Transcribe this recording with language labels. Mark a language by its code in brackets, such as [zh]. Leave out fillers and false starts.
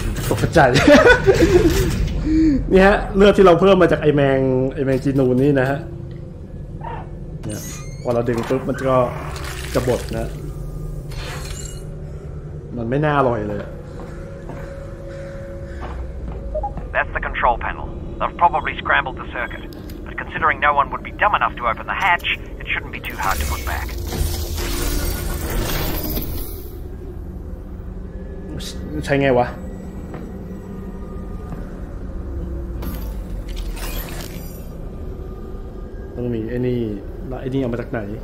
[th] ตกใจ นี่ฮะเลือดที่เราเพิ่มมาจากไอแมงจีนูนนี่นะฮะพอเราดึงปุ๊บมันก็กระบดนะมันไม่น่าอร่อยเลย [en] That's the control panel. They've probably scrambled the circuit. But considering no one would be dumb enough to open the hatch, it shouldn't be too hard to put back. [th] ใช้ไงวะต้องมีไอ้นี่ไอ้นี่เอามาจากไหน